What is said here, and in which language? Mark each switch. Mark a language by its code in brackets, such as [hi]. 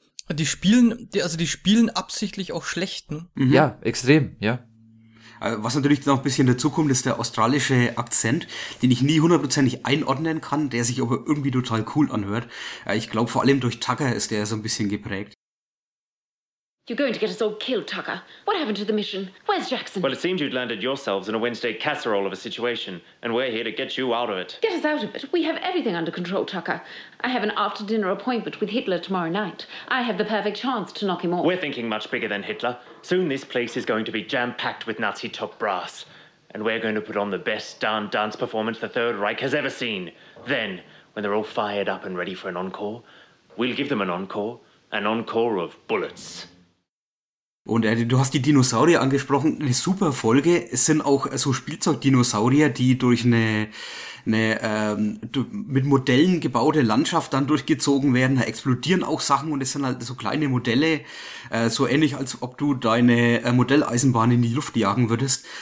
[de] Die spielen absichtlich auch schlechten. Mhm. Ja, extrem, ja. Was natürlich noch ein bisschen dazu kommt, ist der australische Akzent, den ich nie hundertprozentig einordnen kann, der sich aber irgendwie total cool anhört. Ich glaube, vor allem durch Tucker ist der so ein bisschen geprägt. [en] You're going to get us all killed, Tucker. What happened to the mission? Where's Jackson? Well, it seems you'd landed yourselves in a Wednesday casserole of a situation, and we're here to get you out of it. Get us out of it? We have everything under control, Tucker. I have an after-dinner appointment with Hitler tomorrow night. I have the perfect chance to knock him off. We're thinking much bigger than Hitler. Soon this place is going to be jam-packed with Nazi top brass. And we're going to put on the best darn dance performance the Third Reich has ever seen. Then, when they're all fired up and ready for an encore, we'll give them an encore of bullets. [de] Und du hast die Dinosaurier angesprochen, eine super Folge. Es sind auch so Spielzeugdinosaurier, die durch mit Modellen gebaute Landschaft dann durchgezogen werden. Da explodieren auch Sachen und es sind halt so kleine Modelle, so ähnlich, als ob du deine Modelleisenbahn in die Luft jagen würdest.